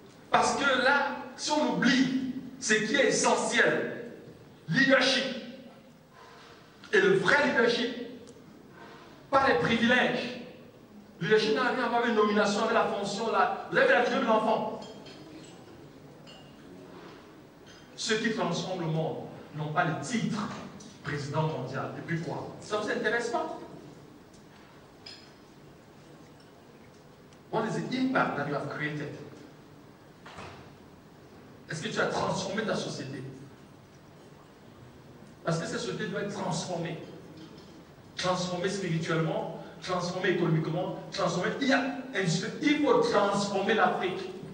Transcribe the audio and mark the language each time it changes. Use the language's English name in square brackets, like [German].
[French] Parce que là, si on oublie ce qui est essentiel, leadership, et le vrai leadership, pas les privilèges. Le leadership n'a rien à voir avec une nomination, avec la fonction, là. Vous avez la vie de l'enfant. Ceux qui transforment le monde n'ont pas le titre président mondial. Et puis quoi? Ça ne vous intéresse pas? [English] What is the impact that you have created? [French] Est-ce que tu as transformé ta société? Parce que cette société doit être transformée. Transformée spirituellement, transformée économiquement, transformée. Il faut transformer l'Afrique.